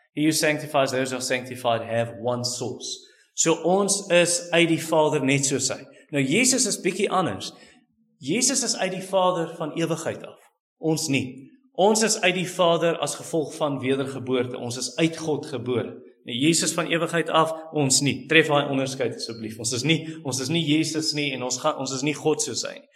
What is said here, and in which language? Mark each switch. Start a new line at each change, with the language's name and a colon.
English: He who sanctifies those who are sanctified have one source.
Afrikaans: So ons is uit die Vader net soos hy. Nou, Jesus is bietjie anders. Jesus is uit die Vader van ewigheid af. Ons nie. Ons is uit die Vader as gevolg van wedergeboorte. Ons is uit God gebore. Nou, Jesus van ewigheid af, ons nie. Tref daai onderskeid asseblief. Ons is nie Jesus nie en ons is nie God soos hy.